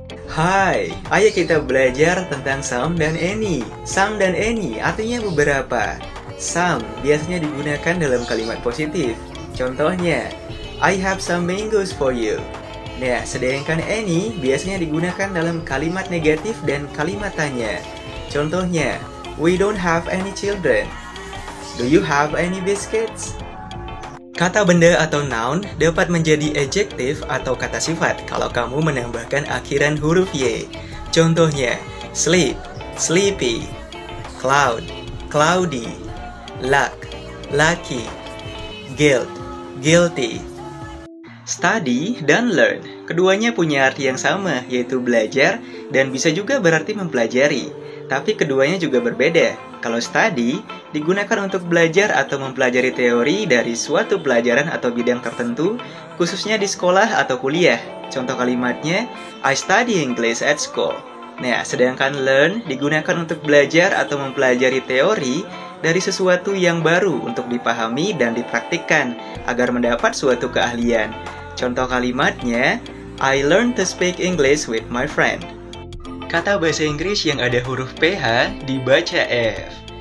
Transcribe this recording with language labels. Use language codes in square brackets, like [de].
[id] Hai, ayo kita belajar tentang some dan any. Some dan any artinya beberapa. Some biasanya digunakan dalam kalimat positif. Contohnya, [en] I have some mangoes for you. [id] Nah, sedangkan any biasanya digunakan dalam kalimat negatif dan kalimat tanya. [en] Contohnya, we don't have any children. Do you have any biscuits? [id] Kata benda atau noun dapat menjadi adjective atau kata sifat kalau kamu menambahkan akhiran huruf Y. [en] Contohnya, sleep, sleepy, cloud, cloudy, luck, lucky, guilt, guilty. [id] Study dan learn, keduanya punya arti yang sama, yaitu belajar, dan bisa juga berarti mempelajari. Tapi keduanya juga berbeda. Kalau study, digunakan untuk belajar atau mempelajari teori dari suatu pelajaran atau bidang tertentu, khususnya di sekolah atau kuliah. Contoh kalimatnya, [en] I study English at school. [id] Nah, sedangkan learn digunakan untuk belajar atau mempelajari teori dari sesuatu yang baru untuk dipahami dan dipraktikkan agar mendapat suatu keahlian. Contoh kalimatnya, [en] I learn to speak English with my friend. [id] Kata bahasa Inggris yang ada huruf PH dibaca F.